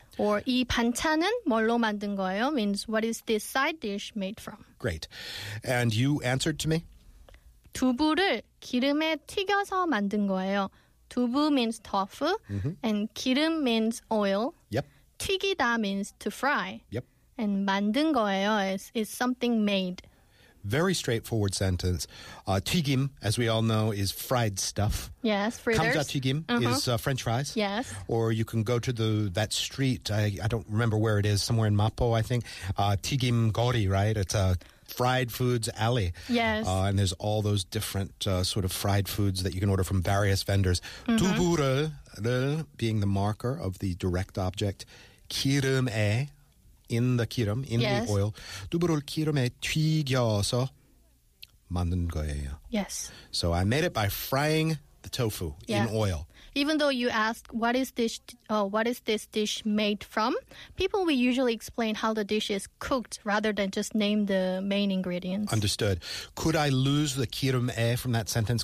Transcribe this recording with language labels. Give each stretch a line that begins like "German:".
Korean: Or 이 반찬은 뭘로 만든 거예요?
English: Means, what is this side dish made from? Great. And you answered to me?
Korean: 두부를 기름에 튀겨서 만든 거예요.
English: 두부 means tofu, mm-hmm. and 기름 means oil. Yep. 튀기다 means to fry. Yep. And
Korean: 만든 거예요
English: is something made. Very straightforward sentence. 튀김, as we all know, is fried stuff. Yes, fritters.
Korean: 감자 튀김 uh-huh.
English: is French fries. Yes. Or you can go to that street, I don't remember where it is, somewhere in Mapo, I think.
Korean: 튀김 거리,
English: right? It's a fried foods alley. Yes. And there's all those different sort of fried foods that you can order from various vendors. Mm-hmm. 두부를 being the marker of the direct object. 기름에. In the 기름, in yes. the oil.
Korean: 두부를 기름에 튀겨서 만든 거예요.
English: Yes. So I made it by frying the tofu yeah. in oil. Even though you ask, what is this dish made from? People will usually explain how the dish is cooked rather than just name the main ingredients. Understood. Could I lose the 기름에 from that sentence?